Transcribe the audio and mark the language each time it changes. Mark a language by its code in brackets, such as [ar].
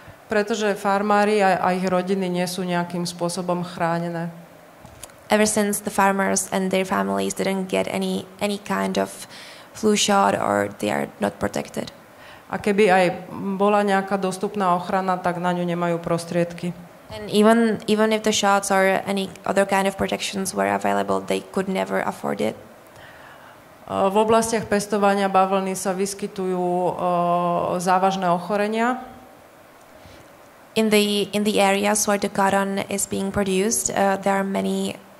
[sk] Pretože farmári a ich rodiny nie sú nejakým spôsobom chránené. [en] Ever since the farmers and their families didn't get any kind of flu shot or they are not protected. [sk] A keby aj bola nejaká dostupná ochrana, tak na ňu nemajú prostriedky. [en] And even if the shots or any other kind of protections were available, they could never afford it. [sk] V oblastiach pestovania bavlny sa vyskytujú závažné ochorenia. [en] In the areas where the cotton is being produced, there are many